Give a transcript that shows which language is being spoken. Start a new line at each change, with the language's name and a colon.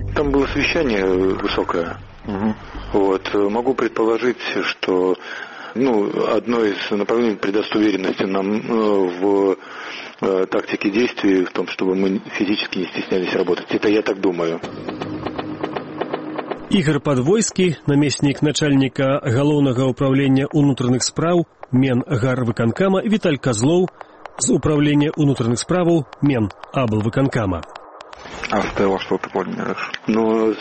Russian: Там было совещание высокое. Вот. Могу предположить, что одно из направлений придаст уверенности нам в тактике действий, в том, чтобы мы физически не стеснялись работать. Это я так думаю.
Belarusian: Ігор Падвойскі, намеснік начальніка галоўнага ўправлення ўнутраных справ Менгарвыканкама, Віталь Казлоў з ўправлення ўнутраных справаў Менаблвыканкама.
Russian: А стелу что ты планируешь?